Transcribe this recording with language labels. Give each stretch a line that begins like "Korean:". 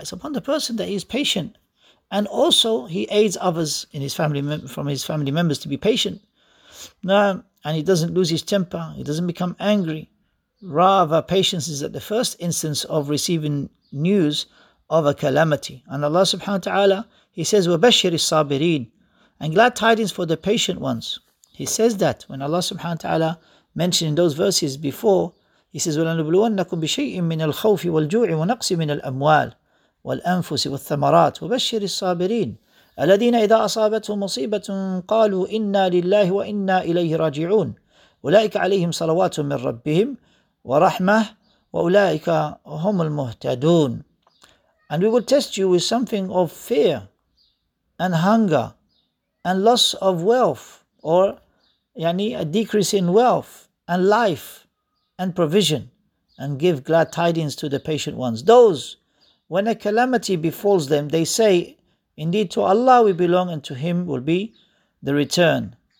English: It's upon the person that he is patient, and also he aids others in his family, from his family members, to be patient. Naam, and he doesn't lose his temper, he doesn't become angry. Rather, patience is at the first instance of receiving news of a calamity. And Allah subhanahu wa ta'ala, he He says,
Arabic: وَبَشِّرِ الصَّابِرِينَ,
English: and glad tidings for the patient ones. He says that when Allah subhanahu wa ta'ala mentioned in those verses before, he says,
Arabic: وَلَنُبْلُوَنَّكُمْ بِشَيْءٍ مِّنَ الْخَوْفِ وَالْجُوعِ وَنَقْصٍ مِّنَ الْأَمْوَالِ وَالْأَنفُسِ وَالثَّمَرَاتِ وَبَشِّرِ الصَّابِرِينَ الَّذِينَ إِذَا أَصَابَتْهُمْ مُصِيبَةٌ قَالُوا إِنَّا لِلَّهِ وَإِنَّا إِلَيْهِ رَاجِعُونَ أُولَئِكَ عَلَيْهِمْ صَلَوَاتٌ مِّن رَّبِّهِمْ وَرَحْمَةٌ وَأُولَئِكَ هُمُ الْمُهْتَدُونَ.
English: And we will test you with something of fear and hunger and loss of wealth, or yani a decrease in wealth and life and provision, and give glad tidings to the patient ones. Those, when a calamity befalls them, they say, indeed to Allah we belong, and to Him will be the return.